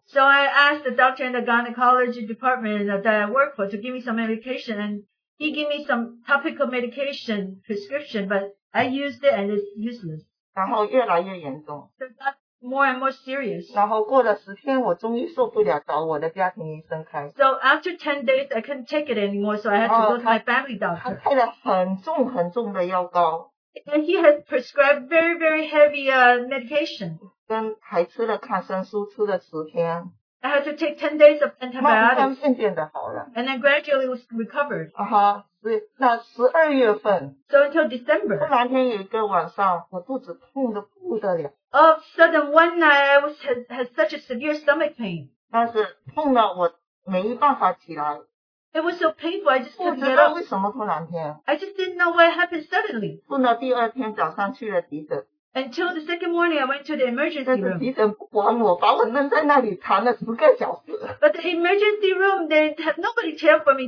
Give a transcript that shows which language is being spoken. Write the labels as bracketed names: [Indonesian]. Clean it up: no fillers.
[English] So I asked the doctor in the gynecology department that I work for to give me some medication, and he gave me some topical medication prescription, but I used it and it's useless. [Chinese] 然后越来越严重。 [English] So it got more and more serious. [Chinese] 然后过了10天，我终于受不了，找我的家庭医生开。 [English] So after 10 days, I couldn't take it anymore, so I had to go to my family doctor. [Chinese] 他开了很重很重的药膏。 [English] And he had prescribed very, very heavy medication. [Chinese] 还吃了抗生素，吃了10天。 [English] I had to take 10 days of antibiotics. [Chinese] 慢慢渐渐地好了。 [English] And then gradually it was recovered. [Chinese] 那12月份。 [English] So until December. [Chinese] 突然间有一个晚上，我肚子痛得不得了。 [English] Of sudden one night I was had such a severe stomach pain. [Chinese] 但是痛到我没办法起来。 [English] It was so painful, I just couldn't get up. I just didn't know what happened suddenly. Until the second morning, I went to the emergency room. But the emergency room, they had nobody cared for me.